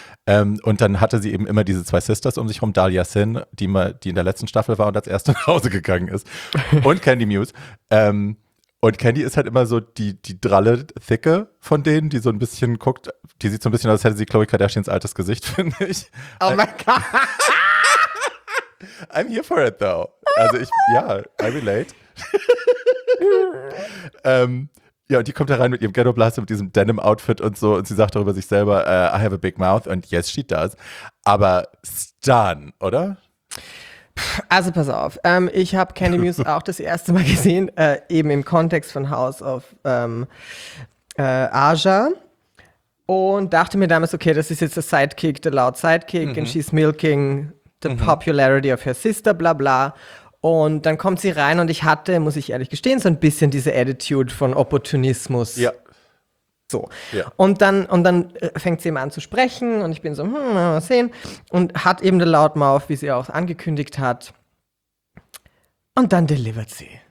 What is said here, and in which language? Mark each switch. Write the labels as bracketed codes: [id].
[de] Und dann hatte sie eben immer diese 2 Sisters um sich rum, Dahlia Sin, die in der letzten Staffel war und als erste nach Hause gegangen ist. Und Candy Muse. Und Candy ist halt immer so die dralle Thicke von denen, die so ein bisschen guckt, die sieht so ein bisschen aus, als hätte sie Khloe Kardashians altes Gesicht, finde ich. Oh mein Gott. [en] I'm here for it though. [de] Also ich, ja, [en] I relate. [de] Ja, und die kommt da rein mit ihrem Ghetto-Blaster, mit diesem Denim-Outfit und so. Und sie sagt darüber sich selber, [en] I have a big mouth. And yes, she does. [de] Aber Stan, oder? Also pass auf, ich habe Candy Muse auch das erste Mal gesehen, eben im Kontext von House of Aja. Und dachte mir damals, okay, das ist jetzt der Sidekick, der loud Sidekick. [en] Mhm. And she's milking the popularity of her sister, bla bla. [de] Und dann kommt sie rein und ich hatte, muss ich ehrlich gestehen, so ein bisschen diese Attitude von Opportunismus. Ja. So. Ja. Und dann fängt sie eben an zu sprechen und ich bin so, mal sehen. Und hat eben der Loudmouth, wie sie auch angekündigt hat. Und dann delivered sie.